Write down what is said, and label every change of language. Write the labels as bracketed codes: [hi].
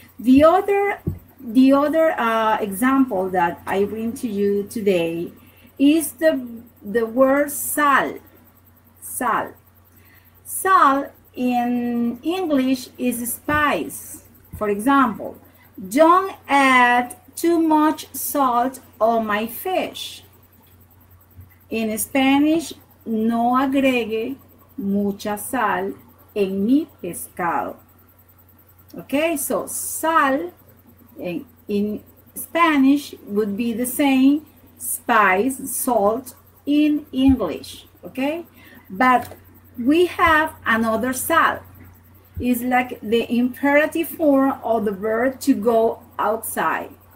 [en] The other example that I bring to you today is the word sal. Sal. Sal in English is spice. For example, don't add too much salt on my fish. In Spanish, [es] no agregue mucha sal en mi pescado. [en] Okay, so sal in Spanish would be the same spice, salt, in English. Okay, but we have another sal. It's like the imperative form of the verb to go outside.